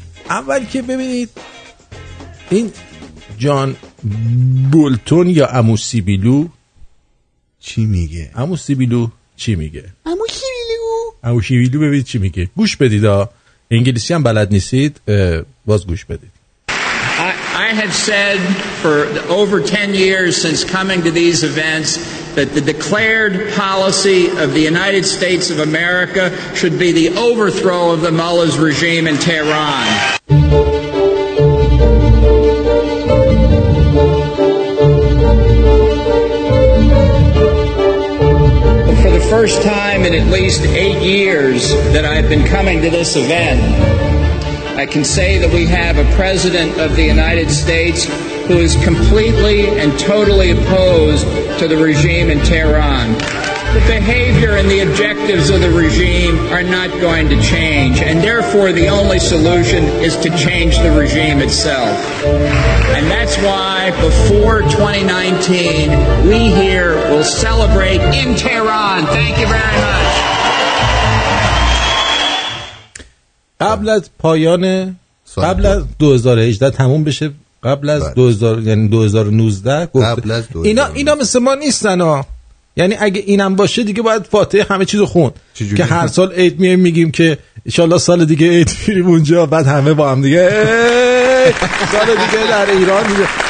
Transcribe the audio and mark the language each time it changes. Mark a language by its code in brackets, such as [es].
[fa] اول که ببینید این جان بولتون یا عمو سیبیلو چی میگه؟ عمو سیبیلو چی میگه؟ عمو سیبیلو، عمو سیبیلو ببینید چی میگه. گوش بدید ها، انگلیسی هم بلد نیستید باز گوش بدید. [en] I have said for over 10 years since coming to these events that the declared policy of the United States of America should be the overthrow of the Mullah's regime in Tehran. First time in at least 8 years that I've been coming to this event, I can say that we have a president of the United States who is completely and totally opposed to the regime in Tehran. The behavior and the objectives of the regime are not going to change, and therefore the only solution is to change the regime itself. And that's why before 2019, we here will celebrate in Tehran. Thank you very much. [fa] قبل از پایان، قبل از 2018 تموم بشه، قبل از 2019 گفت. اینا مثل ما نیستن ها، یعنی اگه اینم باشه دیگه باید فاتحه همه چیزو خون. که هر سال عید میایم میگیم که ان شاءالله سال دیگه عید میریم اونجا، بعد همه با هم دیگه سال دیگه در ایران دیگه.